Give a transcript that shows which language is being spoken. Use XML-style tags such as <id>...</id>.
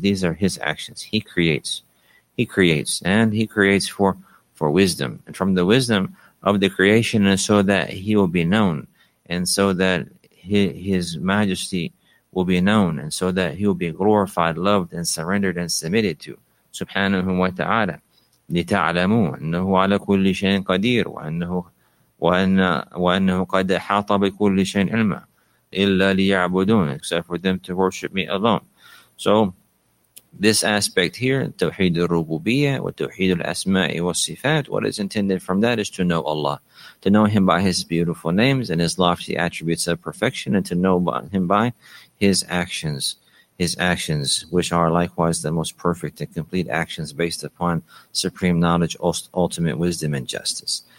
<en>These are his actions. He creates. He creates. And he creates for wisdom. And from the wisdom of the creation is so that he will be known. And so that his majesty will be known. And so that he will be glorified, loved, and surrendered, and submitted to. Subhanahu wa ta'ala.</en> <ar>لِتَعْلَمُوا أَنَّهُ عَلَى كُلِّ شَيْءٍ قَدِيرٌ وَأَنَّهُ قَدْ حَاطَ بِكُلِّ شَيْءٍ عِلْمًا إِلَّا لِيَعْبُدُونَ</ar> <en>except for them to worship me alone. So, this aspect here, Tawheed al-Rububiyyah, wa Tawheed al-Asma'i wa Sifat, what is intended from that is to know Allah, to know Him by His beautiful names and His lofty attributes of perfection, and to know Him by His actions, which are likewise the most perfect and complete actions based upon supreme knowledge, ultimate wisdom, and justice.</en>